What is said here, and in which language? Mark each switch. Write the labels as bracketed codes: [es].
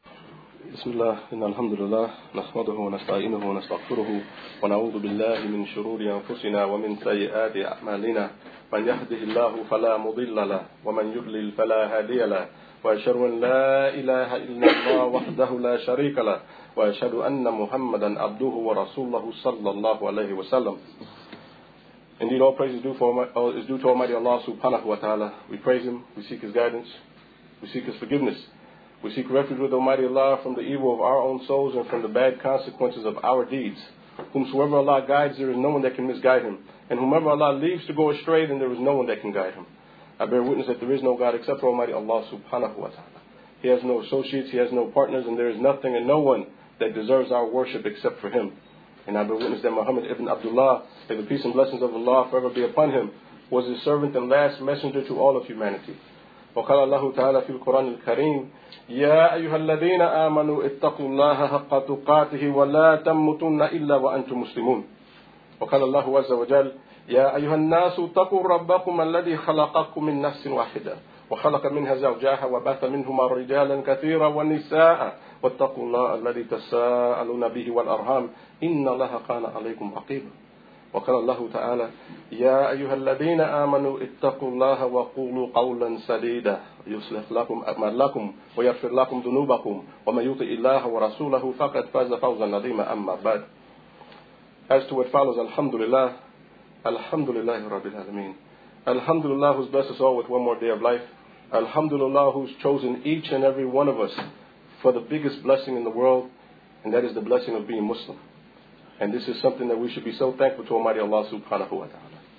[ar] بسم الله إن الحمد لله نحمده ونستعينه ونستغفره ونعوذ بالله من شرور أنفسنا ومن سيئات أعمالنا من يهده الله فلا مضل له ومن يضلل فلا هادي له وأشهد أن لا إله إلا الله وحده لا شريك له وأشهد أن محمدا عبده ورسوله صلى الله عليه وسلم. [en] Indeed, all praise is due to Almighty Allah subhanahu wa ta'ala. We praise Him, we seek His guidance, we seek His forgiveness. We seek refuge with Almighty Allah from the evil of our own souls and from the bad consequences of our deeds. Whomsoever Allah guides, there is no one that can misguide him. And whomever Allah leaves to go astray, then there is no one that can guide him. I bear witness that there is no God except for Almighty Allah subhanahu wa ta'ala. He has no associates, he has no partners, and there is nothing and no one that deserves our worship except for him. And I bear witness that Muhammad ibn Abdullah, may the peace and blessings of Allah forever be upon him, was his servant and last messenger to all of humanity. [ar] وقال الله تعالى في القرآن الكريم يا أيها الذين آمنوا اتقوا الله حق تقاته ولا تموتن إلا وأنتم مسلمون وقال الله عز وجل يا أيها الناس اتقوا ربكم الذي خلقكم من نفس واحدة وخلق منها زوجها وبث منهما رجالا كثيرا ونساء واتقوا الله الذي تساءلون به والأرحام إن الله كان عليكم رقيبا وقال الله تعالى يا أيها الذين آمنوا اتقوا الله وقولوا قولا سديدا يصلح لكم أعمالكم ويغفر لكم ذنوبكم ومن يطع الله ورسوله فقد فاز فوزا عظيما أما بعد. [en] As to what follows, Alhamdulillah, Alhamdulillah Rabbil Alameen, Alhamdulillah who's blessed us all with one more day of life, Alhamdulillah who's chosen each and every one of us for the biggest blessing in the world, and that is the blessing of being Muslim. And this is something that we should be so thankful to Almighty Allah subhanahu wa ta'ala.